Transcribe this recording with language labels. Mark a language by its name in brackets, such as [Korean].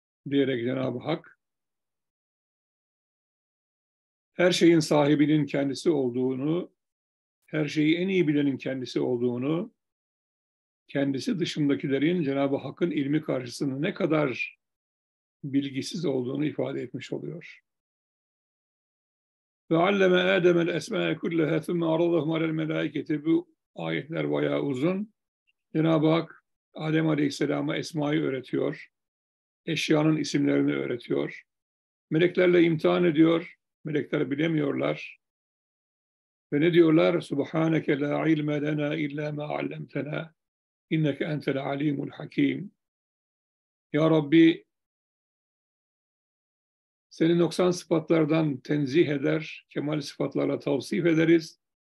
[Turkish] Diyerek Cenab-ı Hak her şeyin sahibinin kendisi olduğunu, her şeyi en iyi bilenin kendisi olduğunu, kendisi dışındakilerin Cenab-ı Hakk'ın ilmi karşısında ne kadar bilgisiz olduğunu ifade etmiş oluyor. [Arabic] وَعَلَّمَ آدَمَ الْاَسْمَاءَ كُلَّهَا ثُمَّ عَرَضَهُمْ عَلَى الْمَلَائِكَةِ [Turkish] Bu ayetler bayağı uzun. Cenab-ı Hak Adem Aleyhisselam'a esmayı öğretiyor. Eşyanın isimlerini öğretiyor. Meleklerle imtihan ediyor. Melekler bilemiyorlar. Ve ne diyorlar? [Arabic] سُبْحَانَكَ لَا عِلْمَ لَنَا اِلَّا مَا عَلَّمْتَنَا اِنَّكَ اَنْتَ الْعَلِيمُ الْحَكِيمُ [Turkish] Ya Rabbi, seni noksan sıfatlardan tenzih eder, kemal sıfatlarla tavsif ederiz.